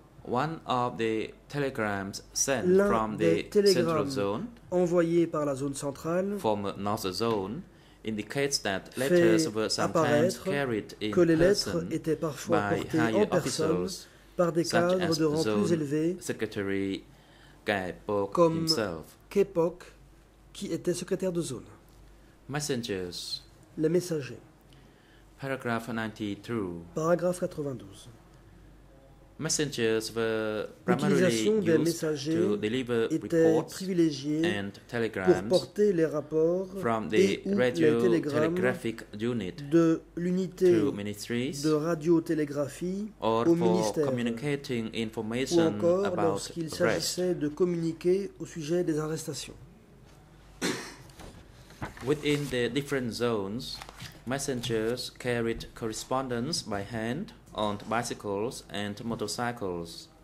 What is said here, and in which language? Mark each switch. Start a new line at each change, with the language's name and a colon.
English: one of the telegrams sent from the central zone,
French: envoyé par la zone centrale,
English: from North Zone, indicates that letters were sometimes carried in
French: que les lettres étaient parfois portées en personne par des cadres de rang plus élevés,
English: Secretary Kaepok himself,
French: Kaepok, qui était secrétaire de zone.
English: Messengers.
French: Les messagers.
English: Paragraph 92.
French: Paragraphe 92.
English: Messengers were primarily used to deliver reports and telegrams
French: pour porter les rapports
English: from the radio telegraphic unit
French: de l'unité de radiotélégraphie
English: or
French: au ministère,
English: for communicating information
French: ou encore
English: about
French: lorsqu'il s'agissait de communiquer au sujet des arrestations.
English: Within the different zones, messengers carried correspondence by hand on bicycles and motorcycles.